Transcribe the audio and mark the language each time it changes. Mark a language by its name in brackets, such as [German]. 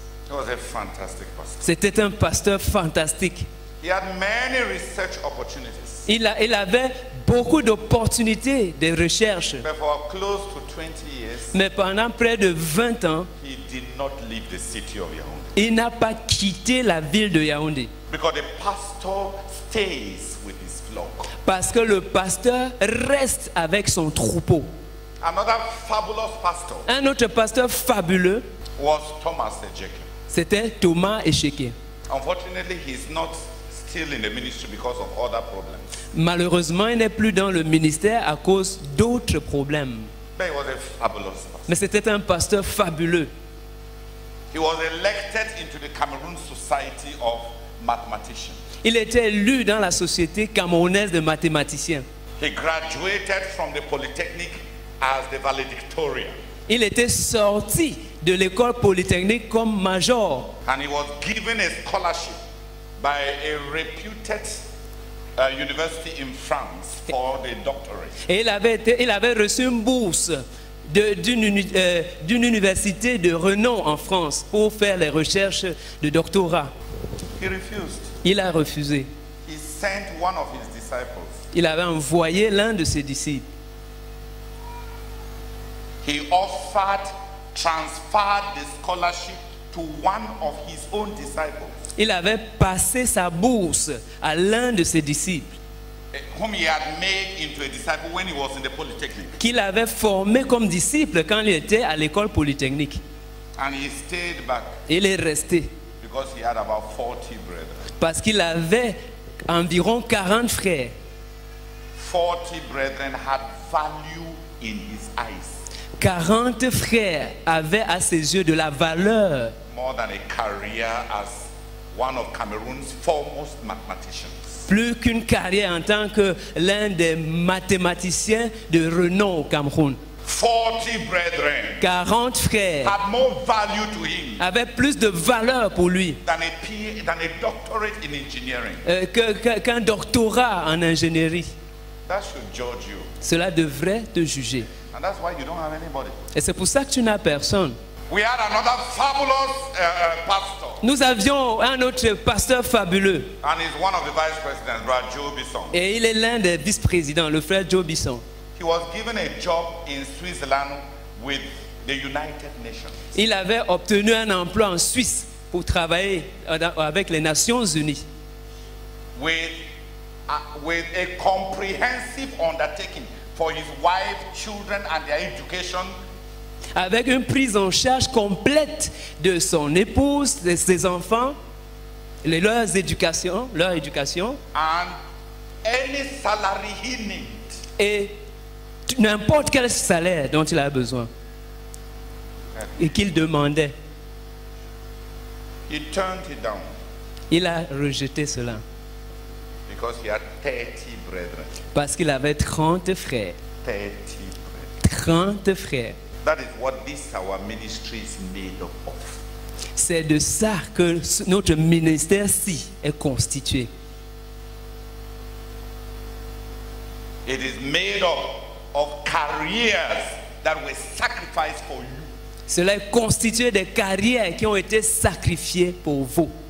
[English] He was a fantastic pastor. [French] C'était un pasteur fantastique. [English] He had many research opportunities. [French] Il avait beaucoup d'opportunités de recherche. [English] But for close to 20 years, [French] mais pendant près de 20 ans, [English] he did not leave the city of Yaoundé. [French] Il n'a pas quitté la ville de Yaoundé. [English] Because the pastor stays with his flock. [French] Parce que le pasteur reste avec son troupeau. [English] Another fabulous pastor. [French] Un autre pasteur fabuleux. [English] Was Thomas Ejeke. [French] C'était Thomas Ejeke. [English] Unfortunately, he is not still in the ministry because of other problems. [French] Malheureusement, il n'est plus dans le ministère à cause d'autres problèmes. [English] But he was a fabulous pastor. [French] Mais c'était un pasteur fabuleux. [English] He was elected into the Cameroon Society of Mathematicians. [French] Il était élu dans la société camerounaise de mathématiciens. [English] He graduated from the polytechnic as the valedictorian. [French] Il était sorti de l'école polytechnique comme major. [English] And he was given a scholarship by a reputed university in France for the doctorate. [French] Et il avait reçu une bourse d'une université de renom en France pour faire les recherches de doctorat. [English] He refused. [French] Il a refusé. [English] He sent one of his disciples. [French] Il avait envoyé l'un de ses disciples. [English] He offered, transferred the scholarship to one of his own disciples. [French] Il avait passé sa bourse à l'un de ses disciples. [English] Whom he had made into a disciple when he was in the polytechnic. [French] Qu'il avait formé comme disciple quand il était à l'école polytechnique. [English] And he stayed back. [French] Il est resté. [English] Because he had about 40 brethren. [French] Parce qu'il avait environ 40 frères. [English] 40 brethren had value in his eyes. [French] 40 frères avaient à ses yeux de la valeur. [English] More than a career as one of Cameroon's foremost mathematicians. [French] Plus qu'une carrière en tant que l'un des mathématiciens de renom au Cameroun. [English] 40 brethren. [French] 40 frères. [English] Had more value to him. [French] Avaient plus de valeur pour lui. [English] Than a doctorate in engineering. [French] Qu'un doctorat en ingénierie. [English] That should judge you. [French] Cela devrait te juger. [English] And that's why you don't have anybody. [French] Et c'est pour ça que tu n'as personne. [English] We had another fabulous pastor. [French] Nous avions un autre pasteur fabuleux. [English] And he's one of the vice presidents, Brother Joe Bisson. [French] Et il est l'un des vice-présidents, le frère Joe Bisson. [English] He was given a job in Switzerland with the United Nations. [French] Il avait obtenu un emploi en Suisse pour travailler avec les Nations Unies. [English] With a comprehensive undertaking for his wife, children and their education. [French] Avec une prise en charge complète de son épouse, de ses enfants, leur éducation. [English] And any salary he needed. [French] Et n'importe quel salaire dont il a besoin et qu'il demandait. [English] He turned it down. [French] Il a rejeté cela. [English] Because he had 30 brethren. [French] Parce qu'il avait 30 frères. [English] 30 brethren. [French] 30 frères. [English] That is what this our ministry is made of. [French] C'est de ça que notre ministère-ci est constitué. [English] It is made of careers that were sacrificed for you. [French] Cela est constitué des carrières qui ont été sacrifiées pour vous.